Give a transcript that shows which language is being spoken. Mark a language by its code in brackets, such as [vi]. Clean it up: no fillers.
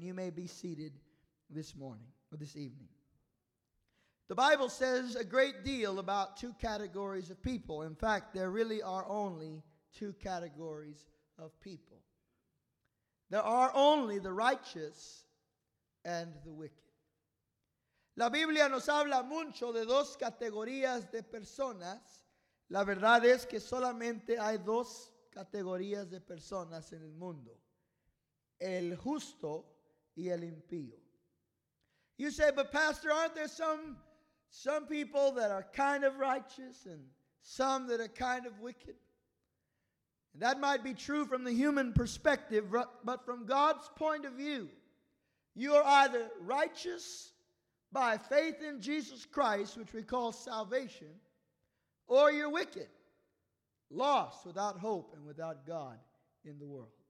[en] You may be seated this morning or this evening. The Bible says a great deal about two categories of people. In fact, there really are only two categories of people. There are only the righteous and the wicked. [es] La Biblia nos habla mucho de dos categorías de personas. La verdad es que solamente hay dos categorías de personas en el mundo. El justo y el impío. [en] You say, but pastor, aren't there some people that are kind of righteous and some that are kind of wicked? That might be true from the human perspective, but from God's point of view, you are either righteous by faith in Jesus Christ, which we call salvation, or you're wicked, lost without hope and without God in the world.